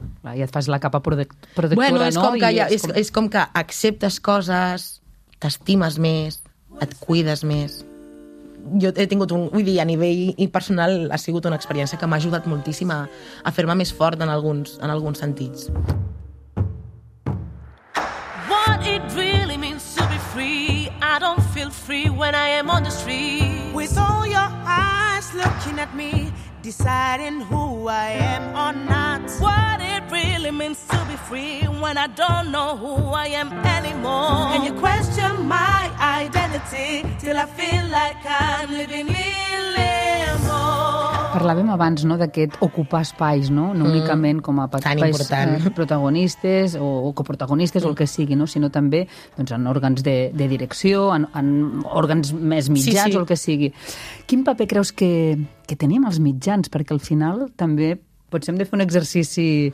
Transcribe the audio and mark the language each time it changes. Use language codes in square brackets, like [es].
[ca] Clar, i et fas la capa protectora, no? Bueno, és com que acceptes coses, t'estimes més... Et cuides més. Jo he tingut a nivell personal ha sigut una experiència que m'ha ajudat moltíssim a fer-me més fort en alguns sentits. [en] What it really means to be free. I don't feel free when I am on the street. With all your eyes looking at me, deciding who I am or not. What it really means to be free when I don't know who I am anymore. And you question my identity till I feel like I'm living in limbo. [ca] Parlàvem abans, no?, d'aquest ocupar espais, no?, no únicament com a espais protagonistes o coprotagonistes o el que sigui, no?, sinó també doncs, en òrgans de direcció, en òrgans més mitjans o el que sigui. Quin paper creus que tenim els mitjans? Perquè al final també potser hem de fer un exercici...